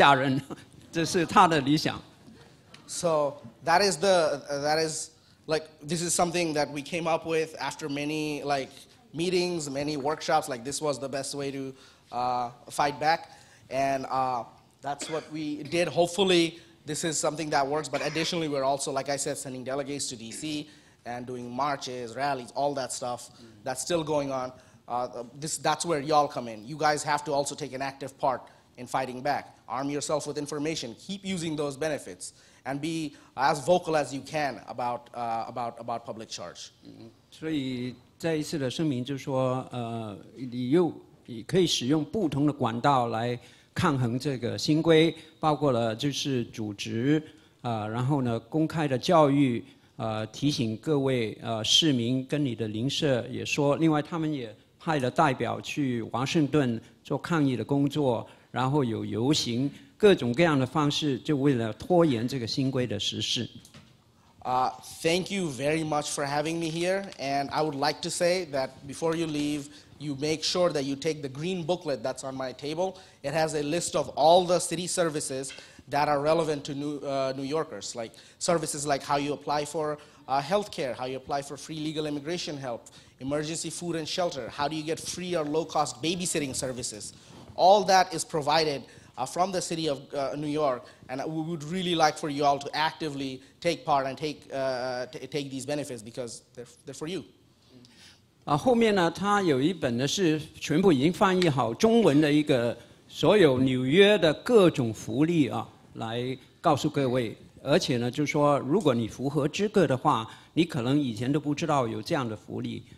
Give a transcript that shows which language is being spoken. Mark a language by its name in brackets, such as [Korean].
[Chinese] 公共的提议也好，这个评论也好，25万个，每一条都要答的话，需要很长的时间，所以希望用这种的策略了，把这个新规拖延，直到川普政府下任，这是他的理想。 [English] So that is the that is like this is something that we came up with after many like meetings, many workshops. Like this was the best way to fight back. And that's what we did. Hopefully, this is something that works. But additionally, we're also, like I said, sending delegates to DC and doing marches, rallies, all that stuff that's still going on. That's where y'all come in. You guys have to also take an active part in fighting back. Arm yourself with information. Keep using those benefits. And be as vocal as you can about public charge. [Chinese] 所以这一次的声明就说，你又 也可以使用不同的管道来抗衡这个新规，包括了就是组织，然后呢，公开的教育，提醒各位市民跟你的邻舍也说，另外他们也派了代表去华盛顿做抗议的工作，然后有游行，各种各样的方式，就为了拖延这个新规的实施。 [English] Thank you very much for having me here, and I would like to say that before you leave, you make sure that you take the green booklet that's on my table. It has a list of all the city services that are relevant to New Yorkers, like services like how you apply for healthcare, how you apply for free legal immigration help, emergency food and shelter, how do you get free or low-cost babysitting services. All that is provided from the city of New York, and we would really like for you all to actively take part and take these benefits because they're for you. [Chinese] 后面呢，他有一本呢是全部已经翻译好中文的一个所有纽约的各种福利啊，来告诉各位。而且呢，就说如果你符合资格的话，你可能以前都不知道有这样的福利。